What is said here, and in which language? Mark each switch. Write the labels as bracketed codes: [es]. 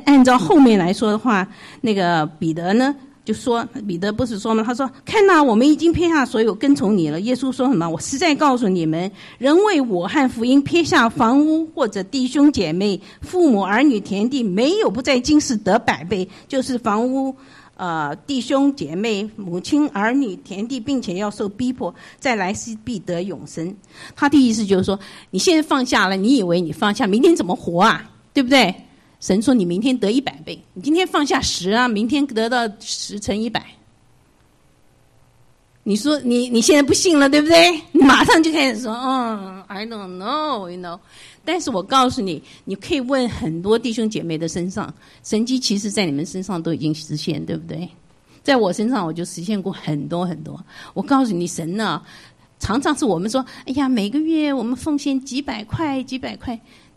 [zh] 按照后面来说的话，那个彼得呢就说，彼得不是说吗，他说：“看哪，我们已经撇下所有跟从你了。”耶稣说什么？我实在告诉你们，人为我和福音撇下房屋或者弟兄姐妹父母儿女田地，没有不在今世得百倍，就是房屋弟兄姐妹母亲儿女田地，并且要受逼迫，再来世必得永生。他的意思就是说，你现在放下了，你以为你放下明天怎么活啊，对不对？神说你明天得100倍，你今天放下十啊，明天得到10×100。你说你现在不信了，对不对？你马上就开始说： [en] “I don't know, you know。” [zh] 但是我告诉你，你可以问很多弟兄姐妹的身上，神迹其实在你们身上都已经实现，对不对？在我身上我就实现过很多很多。我告诉你，神呢，常常是我们说：“哎呀，每个月我们奉献几百块，几百块。”